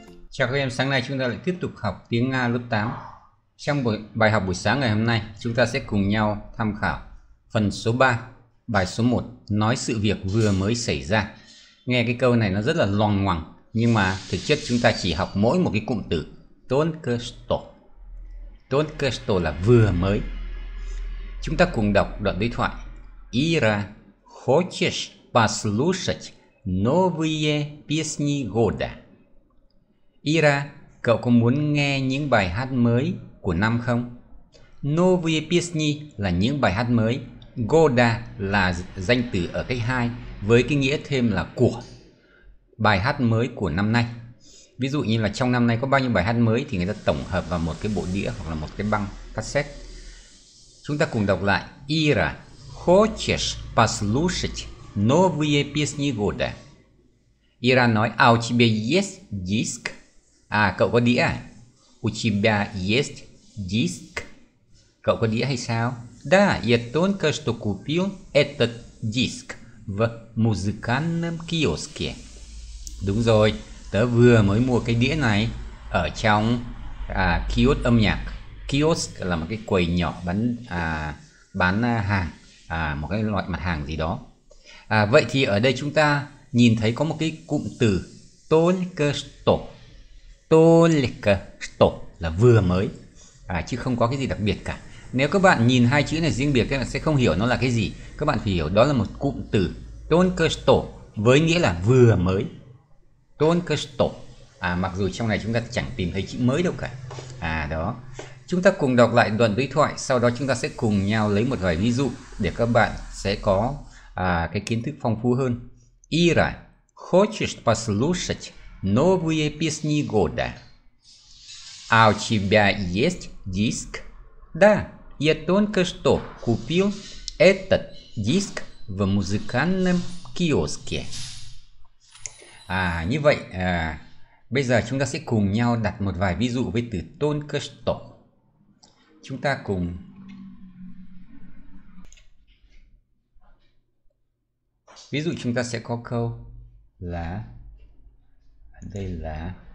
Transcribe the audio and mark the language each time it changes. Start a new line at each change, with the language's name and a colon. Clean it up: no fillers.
Vietnamese: Chào các em, sáng nay chúng ta lại tiếp tục học tiếng Nga lớp 8. Trong bài học buổi sáng ngày hôm nay, chúng ta sẽ cùng nhau tham khảo phần số 3, bài số 1, nói sự việc vừa mới xảy ra. Nghe cái câu này nó rất là loằng ngoằng, nhưng mà thực chất chúng ta chỉ học mỗi một cái cụm từ только что. Только что là vừa mới. Chúng ta cùng đọc đoạn đối thoại.
Russian: Ира, хочешь послушать новые песни года?
Vietnamese: Ира, cậu có muốn nghe những bài hát mới của năm không? Новые песни là những bài hát mới. Года là danh từ ở cách 2 với cái nghĩa thêm là của. Bài hát mới của năm nay. Ví dụ như là trong năm nay có bao nhiêu bài hát mới thì người ta tổng hợp vào một cái bộ đĩa hoặc là một cái băng cassette. Chúng ta cùng đọc lại.
Russian: Ира, хочешь послушать новые песни года? Ира
Vietnamese: nói,
Russian: а у тебя есть диск?
Vietnamese: À, cậu có đĩa à?
Russian: У тебя есть диск?
Vietnamese: Cậu có đĩa hay sao?
Russian: Да, я только что купил этот диск в музыкальном киоске.
Vietnamese: Đúng rồi, tớ vừa mới mua cái đĩa này ở trong kiosk âm nhạc. Kiosk là một cái quầy nhỏ bán hàng, một cái loại mặt hàng gì đó. Vậy thì ở đây chúng ta nhìn thấy có một cái cụm từ только что. Только что là vừa mới, chứ không có cái gì đặc biệt cả. Nếu các bạn nhìn hai chữ này riêng biệt, các bạn sẽ không hiểu nó là cái gì. Các bạn phải hiểu đó là một cụm từ только что với nghĩa là vừa mới.
Russian: Только что.
Vietnamese: Mặc dù trong này chúng ta chẳng tìm thấy chữ mới đâu cả. Đó. Chúng ta cùng đọc lại đoạn đối thoại, sau đó chúng ta sẽ cùng nhau lấy một vài ví dụ để các bạn sẽ có cái kiến thức phong phú hơn.
Russian: Ира, хочешь послушать новые песни года? А у тебя есть диск? Да, я только что купил этот диск в музыкальном киоске.
Vietnamese: Như vậy, bây giờ chúng ta sẽ cùng nhau đặt một vài ví dụ với từ только что. Chúng ta cùng... Ví dụ chúng ta sẽ có câu là... Đây là...